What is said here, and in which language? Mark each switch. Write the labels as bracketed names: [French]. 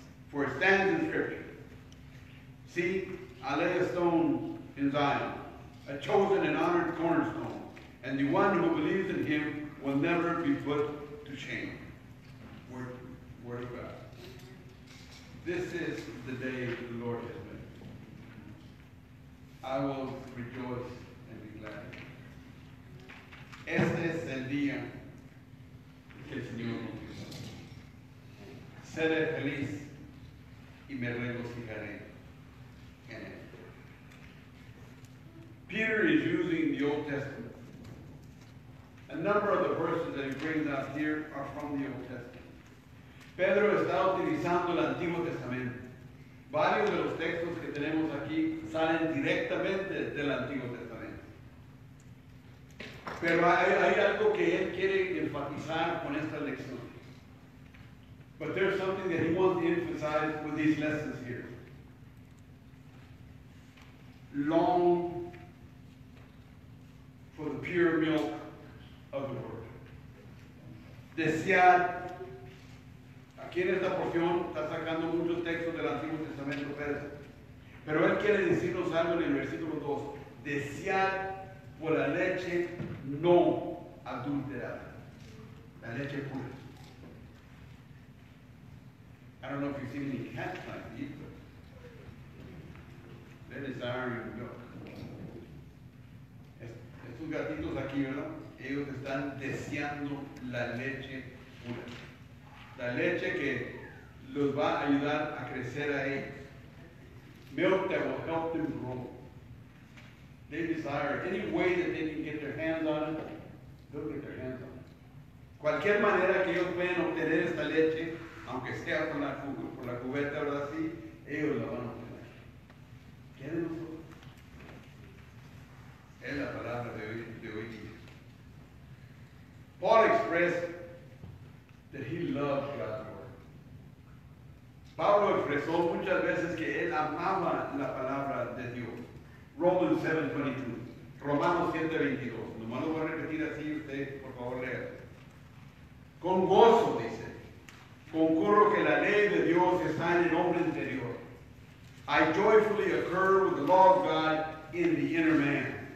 [English] For it stands in Scripture, "See, I lay a stone in Zion, a chosen and honored cornerstone, and the one who believes in him will never be put to shame." Word of God. This is the day the Lord has made. I will rejoice and be glad. [Spanish] Este es el día que el Señor nos dio. Seré feliz y me regocijaré en él. [English] Peter is using the Old Testament. A number of the verses that he brings out here are from the Old Testament. [Spanish] Pedro está utilizando el Antiguo Testamento. Varios de los textos que tenemos aquí salen directamente del Antiguo Testamento. Pero hay algo que él quiere enfatizar con esta lección. [English] But there's something that he wants to emphasize with these lessons here. Long for the pure milk of the word. [Spanish] Desear. Aquí en esta porción está sacando muchos textos del Antiguo Testamento, Pedro. Pero él quiere decirnos algo en el versículo 2. Desear por la leche no adulterada. La leche pura. [English] I don't know if you've seen any cats like these, but they're desiring milk. [Spanish] Estos gatitos aquí, ¿verdad? Ellos están deseando la leche pura. La leche que los va a ayudar a crecer a ellos. [English] Milk that will help them grow. They desire any way that they can get their hands on it. They'll get their hands on it. [Spanish] Cualquier manera que ellos puedan obtener esta leche, aunque sea con la cubeta, por la cubeta, ¿verdad? Sí, ellos la van a obtener. ¿Qué de nosotros? Es la palabra de hoy día. [English] Paul expressed that he loved God's word. [Spanish] Pablo expresó muchas veces que él amaba la palabra de Dios. Romans 7:22. Romanos 7:22. Nomás lo voy a repetir así, usted, por favor, lea. Con gozo, dice. Concurro que la ley de Dios está en el hombre interior. [English] I joyfully occur with the law of God in the inner man.